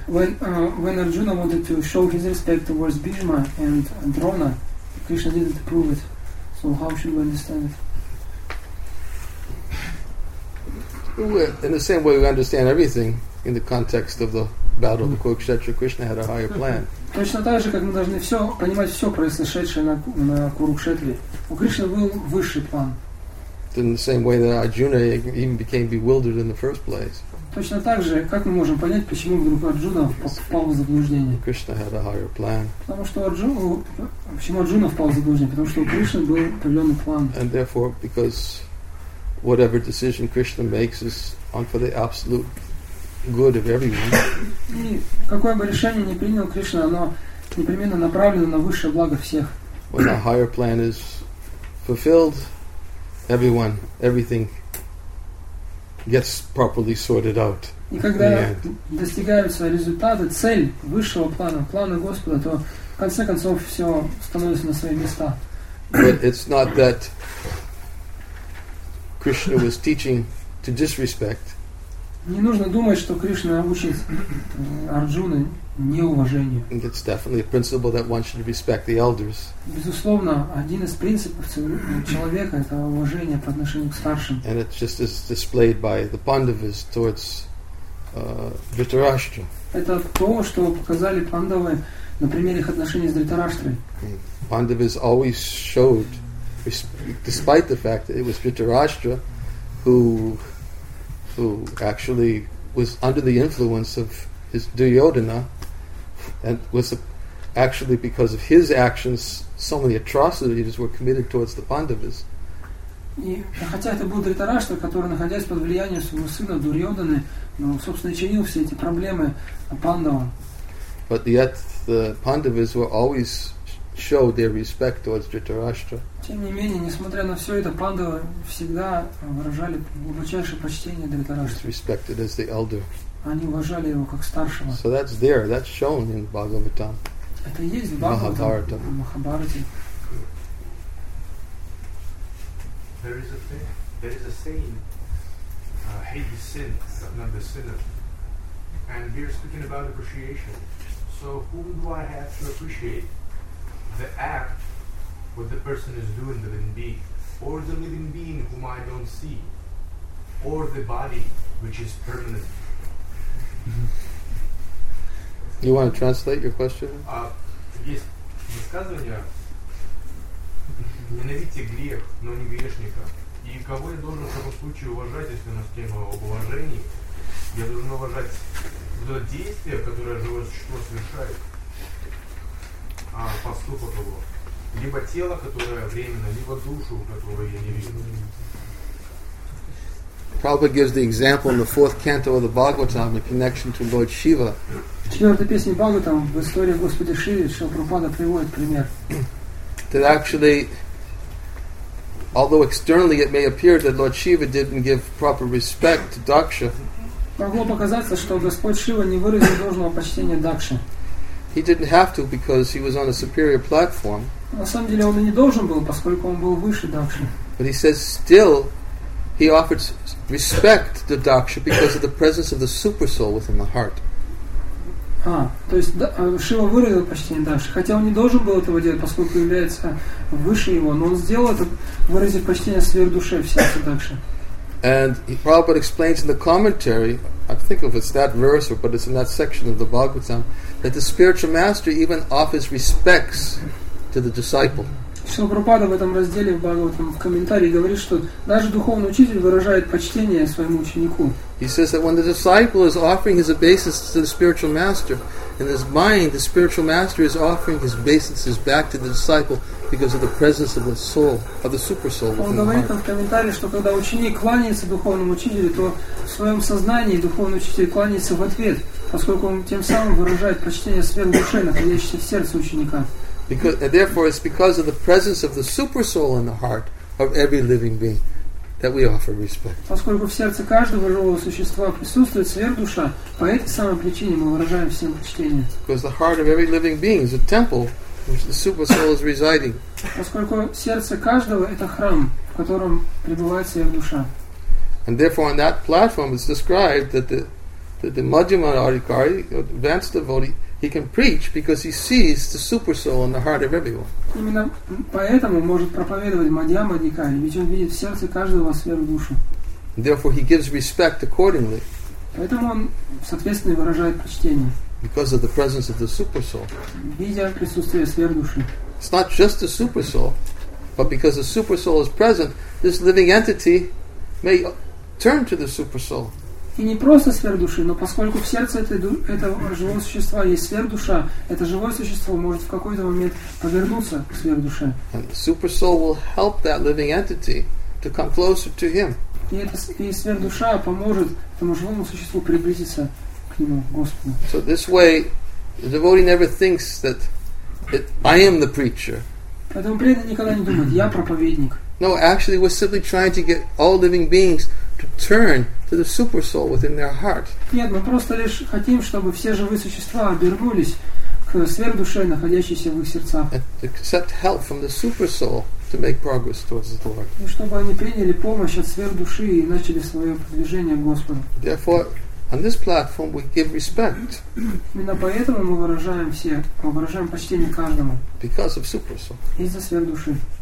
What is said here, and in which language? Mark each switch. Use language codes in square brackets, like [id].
[en] When Arjuna wanted to show his respect towards Bhishma and Drona, Krishna didn't approve it. So how should we understand it? In the same way we understand everything in the context of the battle of Kurukshetra, Krishna had a higher plan. [ru] Точно так же, как мы должны все понимать все происшедшее на Курукшетре. У Кришны был высший план. [en] In the same way that Arjuna even became bewildered in the first place. [ru] Точно так же, как мы можем понять, почему вдруг Арджуна впал в заблуждение? [en] Krishna had a higher plan. [ru] Почему Арджуна впал в заблуждение? Потому что у Кришны был определенный план. [en] And therefore, because whatever decision Krishna makes is on for the absolute good of everyone. [ru] И какое бы решение ни принял Кришна, оно непременно направлено на высшее благо всех. [en] When the higher plan is fulfilled, everyone, everything gets properly sorted out. [ru] И когда достигаются результаты, цель высшего плана, плана Господа, то в конце концов все становится на свои места. [en] But it's not that Krishna was teaching to disrespect. [ru] Не нужно думать, что Кришна учит Арджуны неуважению. [en] It's definitely a principle that one should respect the elders. [ru] Безусловно, один из принципов человека это уважение по отношению к старшим. [en] And it's just as displayed by the Pandavas towards Dhritarashtra. [ru] Это то, что показали Пандавы на примере их отношений с Дхритараштрой. [en] Pandavas always showed, despite the fact that it was Dhritarashtra who actually was under the influence of his Duryodhana, and was actually because of his actions, so many atrocities were committed towards the Pandavas. [ru] И хотя это был Дхритарашта, который, находясь под влиянием своего сына Дурьодханы, но, собственно, чинил все эти проблемы Пандавам. [en] But yet the Pandavas were always showed their respect towards Dhritarashtra. [ru] Тем не менее, несмотря на все это, Пандавы всегда выражали глубочайшее почтение Дхритараштре. [en] Respected as the elder. [ru] Они уважали его как старшего. [en] So that's there, that's shown in Bhagavatam. [ru] Это есть в Бхагаватам, в Махабхарате. [en] There is a saying, hate is sin, but not the sinner. And we are speaking about appreciation. So whom do I have to appreciate? The act, what the person is doing, the living being, or the living being whom I don't see, or the body which is permanent? Mm-hmm. You want to translate your question? Yes. [ru] Высказывание. Ненавидьте грех, но не грешника. И кого я должен в таком случае уважать, если у нас тема об уважении? Я должен уважать то действие, которое живое существо совершает, а поступок его. Либо тело, которое временно, либо душу, которую я не вижу. [en] Prabhupada gives the example in the fourth canto of the Bhagavatam in connection to Lord Shiva. [ru] Четвертая песня Бхагаватам в истории Господа Шивы, что Прабхупада приводит пример. [en] That actually, although externally it may appear that Lord Shiva didn't give proper respect to Daksha, [ru] могло показаться, что Господь Шива не выразил должного почтения Дакше. [en] He didn't have to because he was on a superior platform. [ru] На самом деле он и не должен был, поскольку он был выше Дакши. [en] But he says still, he offered respect to Daksha because of the presence of the super soul within the heart. [ru] А, то есть Шива выразил почтение Дакше, хотя он не должен был этого делать, поскольку является выше его, но он сделал это, выразив почтение сверхдуше в сердце Дакше. [en] And Prabhupada explains in the commentary, I think if it's that verse, but it's in that section of the Bhagavatam, that the spiritual master even offers respects to the disciple. [ru] Шрила Прабхупада в этом разделе в Бхагаватам в комментарии говорит, что даже духовный учитель выражает почтение своему ученику. [en] He says that when the disciple is offering his obeisances to the spiritual master, in his mind, the spiritual master is offering his obeisances back to the disciple because of the presence of the soul, of the super soul. [ru] Он говорит в комментарии, что когда ученик кланяется духовному учителю, то в своем сознании духовный учитель кланяется в ответ, поскольку он тем самым выражает почтение сверхдуше, находящейся в сердце ученика. [en] Because, and therefore, it's because of the presence of the super soul in the heart of every living being that we offer respect. [ru] Поскольку в сердце каждого живого существа присутствует сверхдуша, по этой самой причине мы выражаем всем почтение. [en] Because the heart of every living being is a temple in which the super soul is residing. [ru] Поскольку сердце каждого это храм, в котором пребывает сверхдуша. [en] And therefore, on that platform, it's described that the Madhyama Adhikari, advanced devotee, he can preach because he sees the super soul in the heart of everyone. [ru] Именно поэтому может проповедовать Мадьяма Адикари, ведь он видит в сердце каждого сверхдушу. [en] Therefore, he gives respect accordingly. [ru] Поэтому он, соответственно, выражает почтение. [en] Because of the presence of the super soul. [ru] Видя присутствие сверхдуши. [en] It's not just the super soul, but because the super soul is present, this living entity may turn to the super soul. [ru] И не просто сверхдуши, но поскольку в сердце этого живого существа есть сверхдуша, это живое существо может в какой-то момент повернуться к сверхдуше. [en] And the super soul will help that living entity to come closer to him. [ru] и сверхдуша поможет этому живому существу приблизиться к нему, к Господу. [en] So this way, the devotee never thinks that it, I am the preacher. [ru] Поэтому преданный никогда не думает, я проповедник. [en] No, actually, we're simply trying to get all living beings to turn to the super soul within their heart. [ru] Нет, мы просто лишь хотим, чтобы все живые существа обернулись к сверхдуше, находящейся в их сердцах. [en] And to accept help from the super soul to make progress towards the Lord. [ru] И чтобы они приняли помощь от сверхдуши и начали свое продвижение к Господу. [en] Therefore, on this platform, we give respect. [ru] Именно поэтому мы выражаем все, выражаем почтение каждому. [en] Because of super soul. [ru] Из-за сверхдуши.